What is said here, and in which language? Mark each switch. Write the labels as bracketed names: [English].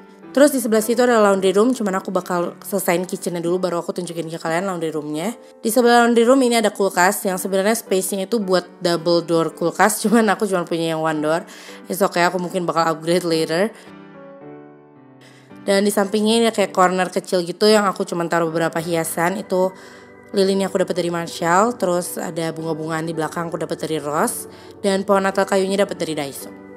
[Indonesian] Terus di sebelah situ ada laundry room, cuman aku bakal selesain kitchennya dulu baru aku tunjukin ke kalian laundry roomnya. Di sebelah laundry room ini ada kulkas yang sebenarnya space-nya itu buat double door kulkas, cuman aku cuma punya yang one door. [English] It's okay, [Indonesian] aku mungkin bakal [English] upgrade later. [Indonesian] Dan di sampingnya ini kayak corner kecil gitu yang aku cuma taruh beberapa hiasan. Itu lilin yang aku dapat dari Marshall, terus ada bunga-bungaan di belakang aku dapat dari Ross, dan pohon Natal kayunya dapat dari Daiso.